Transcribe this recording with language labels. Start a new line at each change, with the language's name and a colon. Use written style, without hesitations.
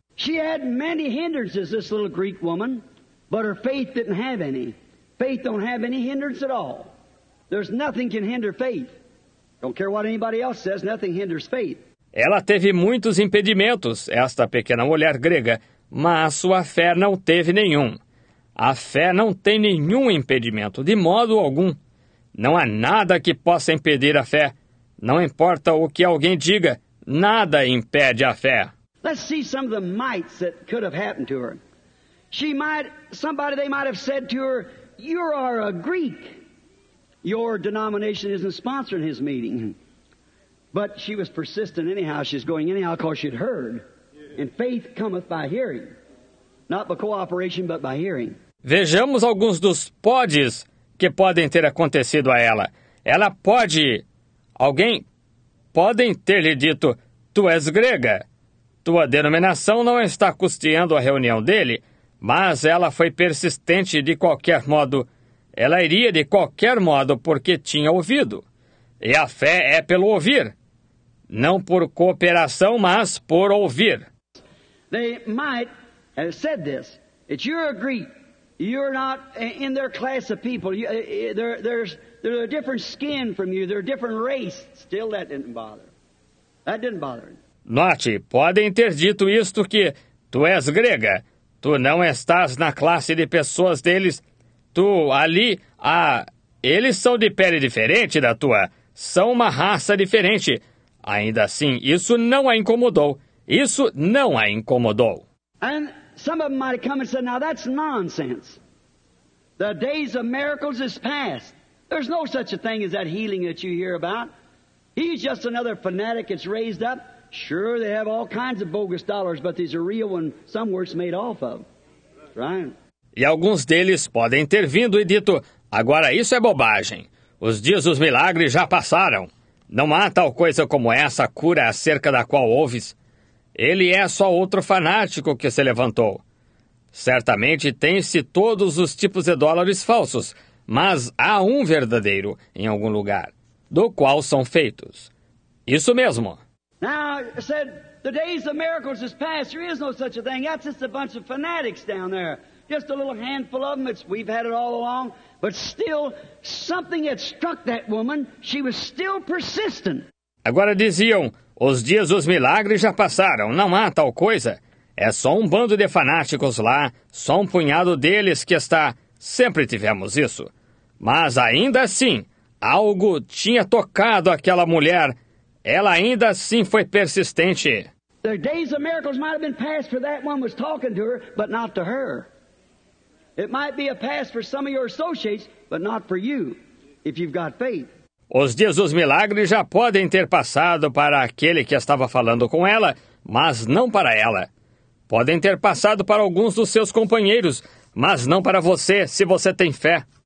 English: She had many hindrances, this little Greek woman, but her faith didn't have any. Faith don't have any hindrance at all. There's nothing can hinder faith. Don't care what anybody else says, nothing hinders faith.
Portuguese: Ela teve muitos impedimentos, esta pequena mulher grega, mas sua fé não teve nenhum. A fé não tem nenhum impedimento, de modo algum. Não há nada que possa impedir a fé. Não importa o que alguém diga, nada impede a fé.
English: Let's see some of the mites that could have happened to her. Somebody they might have said to her, you are a Greek. Your denomination isn't sponsoring his meeting. But she was persistent anyhow. She's going anyhow because she'd heard. And faith cometh by hearing. Not by cooperation, but by hearing.
Portuguese: Vejamos alguns dos podes que podem ter acontecido a ela. Ela pode... Alguém podem ter lhe dito, tu és grega. Tua denominação não está custeando a reunião dele, Mas ela foi persistente de qualquer modo. Ela iria de qualquer modo porque tinha ouvido. E a fé é pelo ouvir. Não por cooperação, mas por ouvir.
English: They might have said this. It's your Greek. You're not in their class of people. They're a different skin from you. They're a different race. Still, that didn't bother. That didn't bother.
Portuguese: Note, podem ter dito isto que tu és grega. Tu não estás na classe de pessoas deles. Tu ali, eles são de pele diferente da tua. São uma raça diferente. Ainda assim, isso não a incomodou. Isso não a incomodou.
English: And some of them might have come and said, now that's nonsense. The days of miracles is past. There's no such a thing as that healing that you hear about. He's just another fanatic that's raised up. Sure, they have all kinds of bogus dollars, but these are real ones somewhere it's made off of. Right?
Portuguese: E alguns deles podem ter vindo e dito, agora isso é bobagem. Os dias dos milagres já passaram. Não há tal coisa como essa cura acerca da qual ouves. Ele é só outro fanático que se levantou. Certamente tem-se todos os tipos de dólares falsos, mas há um verdadeiro em algum lugar, do qual são feitos. Isso mesmo.
English: Now, I said, the days of miracles is past. There is no such a thing. That's just a bunch of fanatics down there. Just a little handful of them. We've had it all along. But still, something had struck that woman. She was still persistent.
Portuguese: Agora diziam, os dias dos milagres já passaram. Não há tal coisa. É só um bando de fanáticos lá. Só um punhado deles que está. Sempre tivemos isso. Mas ainda assim, algo tinha tocado aquela mulher. Ela ainda assim foi persistente.
English: The days of miracles might have been passed for that one was talking to her, but not to her. It might be a pass for some of your associates, but not for you, if you've got faith.
Portuguese: Os dias dos milagres já podem ter passado para aquele que estava falando com ela, mas não para ela. Podem ter passado para alguns dos seus companheiros, mas não para você, se você tem fé.